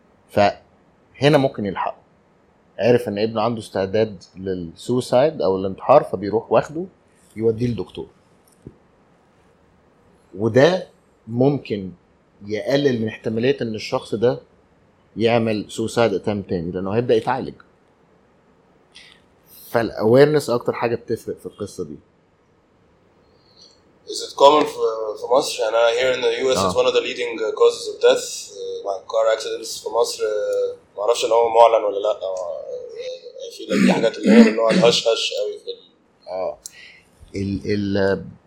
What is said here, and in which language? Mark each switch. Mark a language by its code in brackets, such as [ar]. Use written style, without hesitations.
[ar] فهنا ممكن يلحق، عارف ان ابنه عنده استعداد للسوسايد او الانتحار، فبيروح واخده يوديه للدكتور، وده ممكن يقلل من احتماليه ان الشخص ده يعمل سوسايد اتام تاني، لانه هيبدا يتعالج. فالاويرنس اكتر حاجه بتفرق في القصه دي. [en] Is it common for [ar] مصر؟ أنا [en] here in the US it's one of the leading causes of death. Car accidents for [ar] مصر ما أعرفش إن هو معلن ولا لأ. في لك حاجات اللي هي النوع الهش هش قوي في